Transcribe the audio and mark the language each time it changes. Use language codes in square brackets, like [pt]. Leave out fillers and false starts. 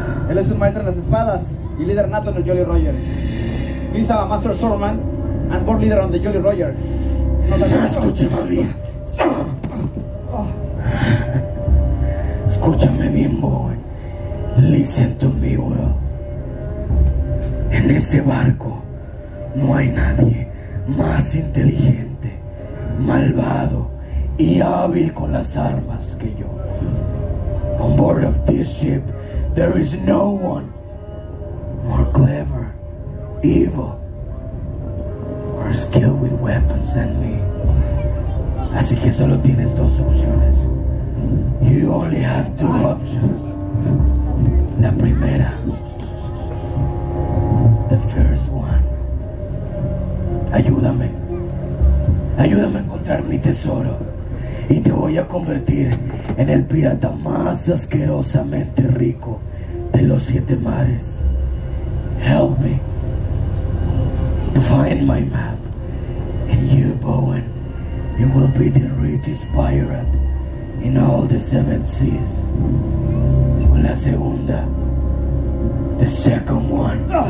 [es] Él es un maestro en las espadas y líder nato en el Jolly Roger. [en] He's a master swordsman and board leader on the Jolly Roger. [es] No, escúchame a mí. Escúchame bien, [en] boy. Listen to me, bro. [es] En ese barco no hay nadie más inteligente, malvado y hábil con las armas que yo. [en] On board of this ship, there is no one more clever, evil, or skilled with weapons than me. [es] Así que solo tienes dos opciones. [en] You only have two options. [es] La primera. [en] The first one. [es] Ayúdame. Ayúdame a encontrar mi tesoro. Y te voy a convertir en el pirata más asquerosamente rico de los siete mares. [en] Help me to find my map. And you, Bowen, you will be the richest pirate in all the seven seas. [es] O la segunda. [en] The second one.